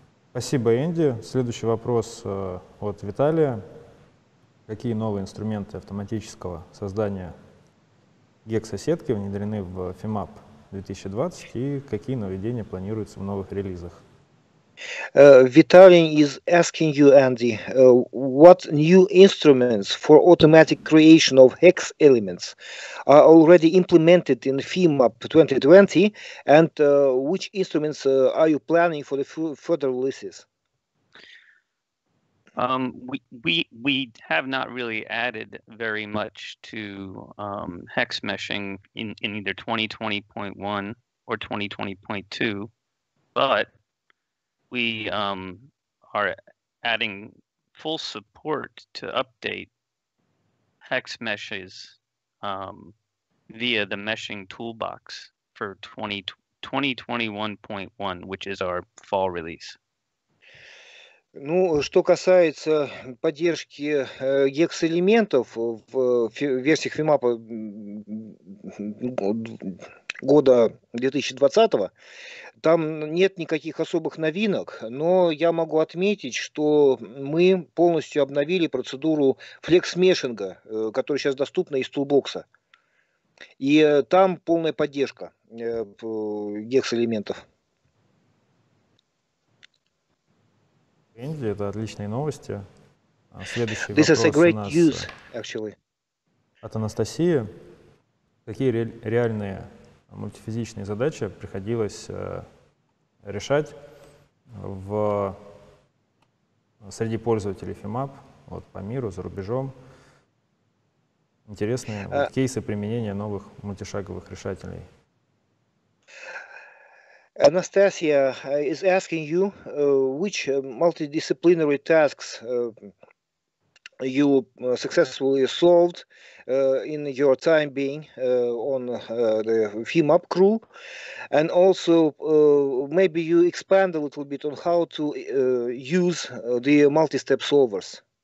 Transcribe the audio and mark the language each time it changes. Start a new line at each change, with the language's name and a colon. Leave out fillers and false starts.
Russian: Спасибо, Энди. Следующий вопрос от Виталия. Какие новые инструменты автоматического создания гексосетки внедрены в FEMAP 2020 и какие нововведения планируются в новых релизах?
English: Vitalian is asking you, Andy, what new instruments for automatic creation of hex elements are already implemented in FEMAP 2020, and which instruments are you planning for the further releases? We have not really added very much to hex meshing in either 2020.1 or 2020.2, but we are adding full support to update text meshes via the meshing toolbox for 2021.1, which is our fall release.
Russian: Ну, что касается поддержки гекс-элементов в версиях FEMAP года 2020, там нет никаких особых новинок, но я могу отметить, что мы полностью обновили процедуру флекс-мешинга, которая сейчас доступна из тулбокса. И там полная поддержка гекс-элементов. Это отличные новости. Следующий
English: This
Russian: вопрос
English: is a great
Russian: у нас
English: news, actually.
Russian: От Анастасии. Какие реальные мультифизичные задачи приходилось решать в среди пользователей FEMAP, вот по миру, за рубежом? Интересные вот, кейсы применения новых мультишаговых решателей.
English: Anastasia is asking you which multidisciplinary tasks you successfully solved in your time being on the FEMAP crew, and also maybe you expand a little bit on how to use the multi-step solvers.